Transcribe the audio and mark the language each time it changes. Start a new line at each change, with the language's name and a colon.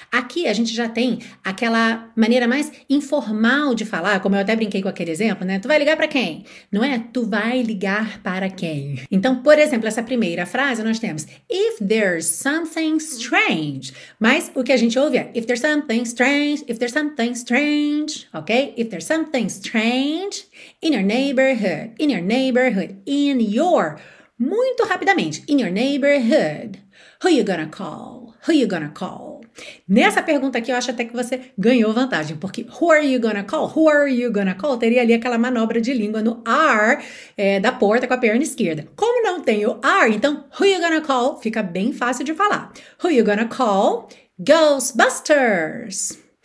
Portuguese: Aqui a gente já tem aquela maneira mais informal de falar, como eu até brinquei com aquele exemplo, né? Tu vai ligar para quem? Não é? Tu vai ligar para quem? Então, por exemplo, essa primeira frase nós temos
English: If there's something strange.
Portuguese: Mas o que a gente ouve é
English: If there's something strange, if there's something strange, ok? If there's something strange in your neighborhood, in your...
Portuguese: Muito rapidamente,
English: in your neighborhood, who you gonna call? Who you gonna call?
Portuguese: Nessa pergunta aqui, eu acho até que você ganhou vantagem, porque
English: who are you gonna call? Who are you gonna call?
Portuguese: Teria ali aquela manobra de língua no R da porta com a perna esquerda. Como não tem o R, então
English: who you gonna call
Portuguese: fica bem fácil de falar.
English: Who you gonna call? Ghostbusters.